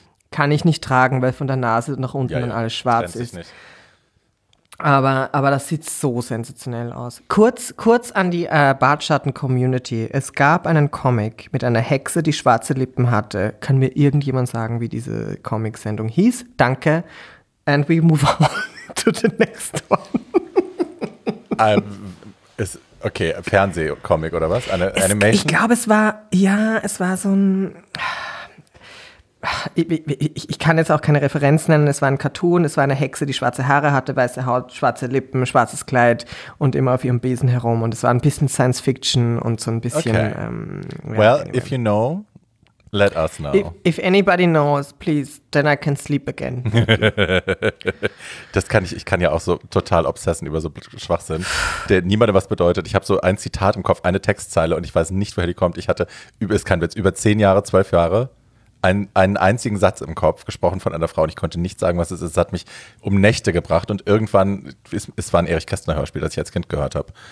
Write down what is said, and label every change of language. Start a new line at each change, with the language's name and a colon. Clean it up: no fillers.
German: Kann ich nicht tragen, weil von der Nase nach unten dann alles schwarz ist. Aber das sieht so sensationell aus. Kurz an die Bartschatten-Community. Es gab einen Comic mit einer Hexe, die schwarze Lippen hatte. Kann mir irgendjemand sagen, wie diese Comic-Sendung hieß? Danke.
English: And we move on to the next one.
German: Okay, Fernsehcomic oder was? Eine Animation? Ich glaube, es war so ein. Ich kann jetzt auch keine Referenz nennen. Es war ein Cartoon, es war eine Hexe, die schwarze Haare hatte, weiße Haut, schwarze Lippen, schwarzes Kleid und immer auf ihrem Besen herum. Und es war ein bisschen Science Fiction und so ein bisschen.
English: Okay. Well, if you know, Let us know. If anybody knows, please, then I can sleep again.
German: Das kann ich, ich kann ja auch so total obsessen über so Schwachsinn, der niemandem was bedeutet. Ich habe so ein Zitat im Kopf, eine Textzeile und ich weiß nicht, woher die kommt. Ich hatte, ist kein Witz, über 10 Jahre, 12 Jahre einen einzigen Satz im Kopf gesprochen von einer Frau und ich konnte nicht sagen, was es ist. Es hat mich um Nächte gebracht und irgendwann, es war ein Erich Kästner Hörspiel, das ich als Kind gehört habe.